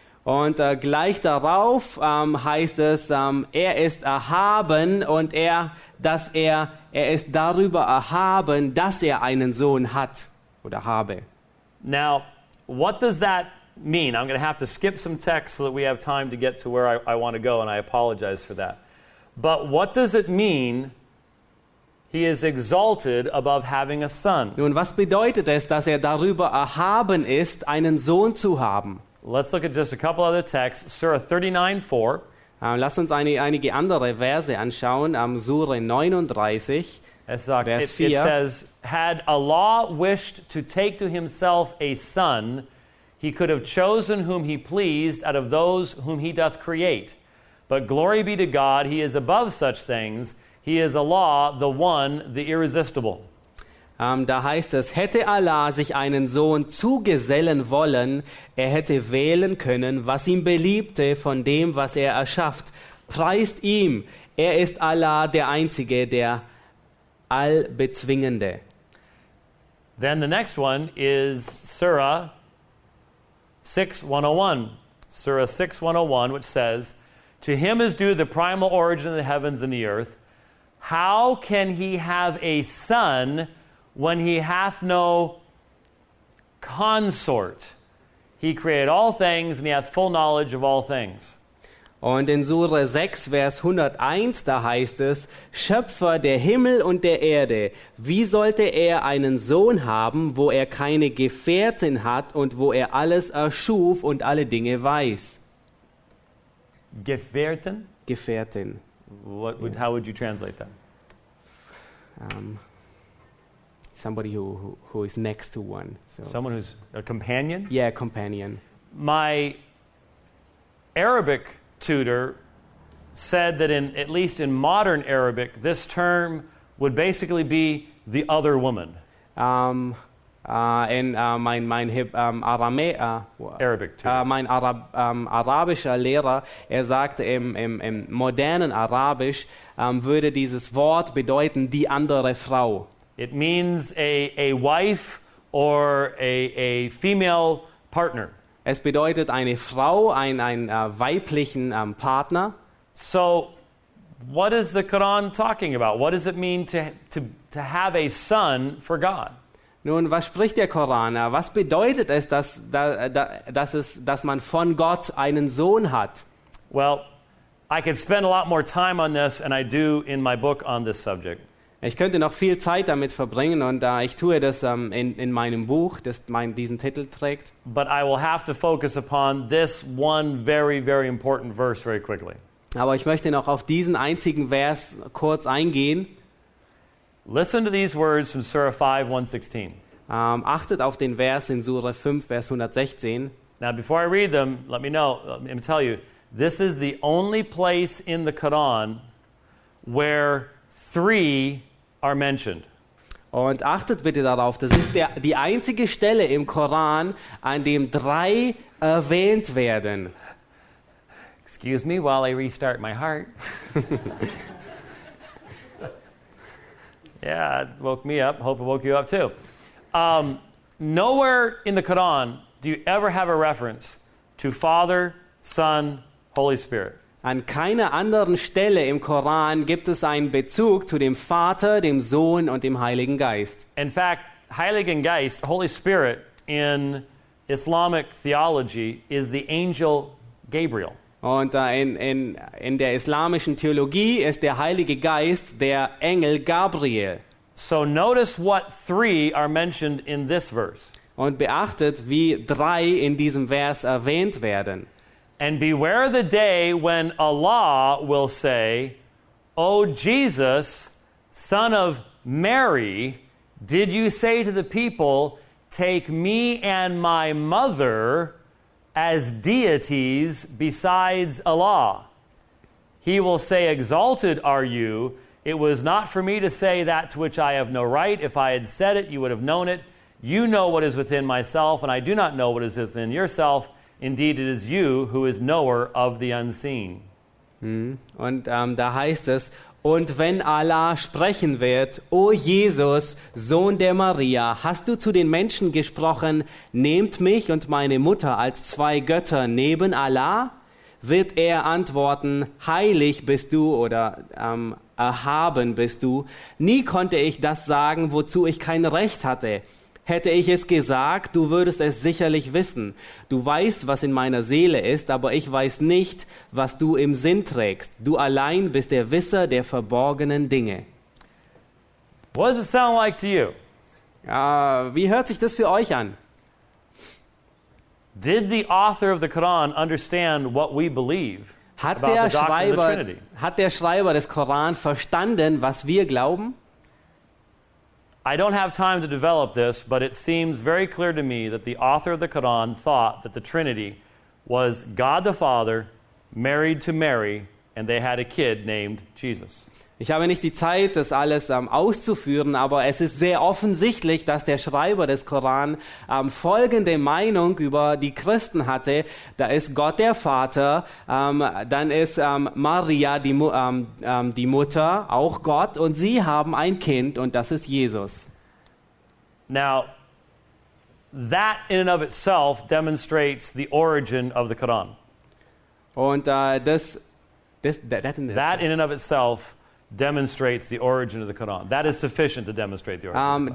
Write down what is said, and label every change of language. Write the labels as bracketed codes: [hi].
[de] Und gleich darauf heißt es, er ist erhaben und er ist darüber erhaben, dass er einen Sohn hat oder habe. [en] Now, what does that mean? I'm going to have to skip some text so that we have time to get to where I want to go, and I apologize for that. But what does it mean he is exalted above having a son? [de] Nun, was bedeutet es, dass er darüber erhaben ist, einen Sohn zu haben? [en] Let's look at just a couple other texts. Surah 39:4. [de] Lass uns einige andere Verse anschauen. Surah 39, Vers 4. [en] It says, had Allah wished to take to himself a son, he could have chosen whom he pleased out of those whom he doth create. But glory be to God, he is above such things. He is Allah, the one, the irresistible. [de] Da heißt es, hätte Allah sich einen Sohn zugesellen wollen, er hätte wählen können, was ihm beliebte von dem, was er erschafft. Preist ihm, er ist Allah, der Einzige, der Allbezwingende. [en] Then the next one is Surah 6101. Surah 6101, which says, to him is due the primal origin of the heavens and the earth. How can he have a son when he hath no consort? He created all things and he hath full knowledge of all things. [de] Und in Sure 6, Vers 101, da heißt es, Schöpfer der Himmel und der Erde, wie sollte er einen Sohn haben, wo er keine Gefährtin hat und wo er alles erschuf und alle Dinge weiß? Gefährtin? Gefährtin. [en] How would you translate that? Somebody who is next to one. So. Someone who's a companion? Yeah, companion. My Arabic tutor said that in at least in modern Arabic, this term would basically be the other woman. [de] Arabischer Lehrer, er sagte im modernen Arabisch würde dieses Wort bedeuten die andere Frau. [en] It means a wife or a female partner. [de] Es bedeutet eine Frau, ein weiblichen Partner. [en] So what is the Quran talking about? What does it mean to have a son for God? [de] Nun, was spricht der Koran? Was bedeutet es, dass man von Gott einen Sohn hat? [en] Well, I could spend a lot more time on this and I do in my book on this subject. [de] Ich könnte noch viel Zeit damit verbringen und ich tue das in meinem Buch, das diesen Titel trägt. [en] But I will have to focus upon this one very, very important verse very quickly. [de] Aber ich möchte noch auf diesen einzigen Vers kurz eingehen. [en] Listen to these words from Surah 5:116. [de] Achtet auf den Vers in Surah 5, Vers 116. [en] Now before I read them, let me tell you, this is the only place in the Quran where three are mentioned. [de] Und achtet bitte darauf, das ist die einzige Stelle im Koran, an dem drei erwähnt werden. [en] Excuse me while I restart my heart. Yeah, it woke me up. Hope it woke you up too. Nowhere in the Quran do you ever have a reference to Father, Son, Holy Spirit. [de] An keiner anderen Stelle im Koran gibt es einen Bezug zu dem Vater, dem Sohn und dem Heiligen Geist. [en] In fact, Heiligen Geist, Holy Spirit in Islamic theology is the angel Gabriel. [de] Und in der islamischen Theologie ist der Heilige Geist der Engel Gabriel. [en] So notice what three are mentioned in this verse. [de] Und beachtet, wie drei in diesem Vers erwähnt werden. [en] And beware the day when Allah will say, O Jesus, son of Mary, did you say to the people, take me and my mother as deities besides Allah? He will say, exalted are you. It was not for me to say that to which I have no right. If I had said it, you would have known it. You know what is within myself, and I do not know what is within yourself. Indeed, it is you who is knower of the unseen. [de] Da heißt es, und wenn Allah sprechen wird, O Jesus, Sohn der Maria, hast du zu den Menschen gesprochen, nehmt mich und meine Mutter als zwei Götter neben Allah? Wird er antworten, heilig bist du oder erhaben bist du? Nie konnte ich das sagen, wozu ich kein Recht hatte. Hätte ich es gesagt, du würdest es sicherlich wissen. Du weißt, was in meiner Seele ist, aber ich weiß nicht, was du im Sinn trägst. Du allein bist der Wisser der verborgenen Dinge. [en] What does it sound like to you? [de] Wie hört sich das für euch an? [en] Did the author of the Quran understand what we believe about the doctrine of the Trinity? [de] Hat der Schreiber des Koran verstanden, was wir glauben? [en] I don't have time to develop this, but it seems very clear to me that the author of the Quran thought that the Trinity was God the Father married to Mary and they had a kid named Jesus. [de] Ich habe nicht die Zeit, das alles auszuführen, aber es ist sehr offensichtlich, dass der Schreiber des Koran folgende Meinung über die Christen hatte. Da ist Gott der Vater, dann ist Maria die Mutter, auch Gott, und sie haben ein Kind, und das ist Jesus. [en] Now, that in and of itself demonstrates the origin of the Quran. Und that in and of itself demonstrates the origin of the Quran. That is sufficient to demonstrate the origin.